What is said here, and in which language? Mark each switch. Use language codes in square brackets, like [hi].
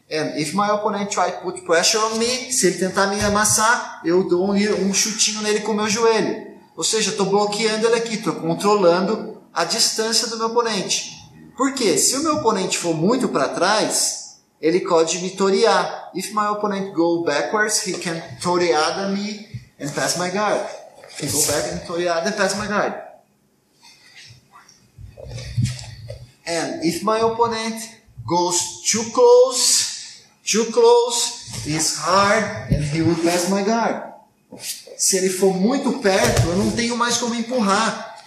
[en] And if my opponent try put pressure on me, [pt] se ele tentar me amassar, eu dou um chutinho nele com o meu joelho. Ou seja, estou bloqueando ele aqui. Estou controlando a distância do meu oponente. Por quê? Se o meu oponente for muito para trás, ele pode me torear. [en] If my opponent go backwards, he can torear me and pass my guard. He go back and torear and pass my guard. And if my opponent goes too close, it's hard and he will pass my guard. [pt] Se ele for muito perto, eu não tenho mais como empurrar.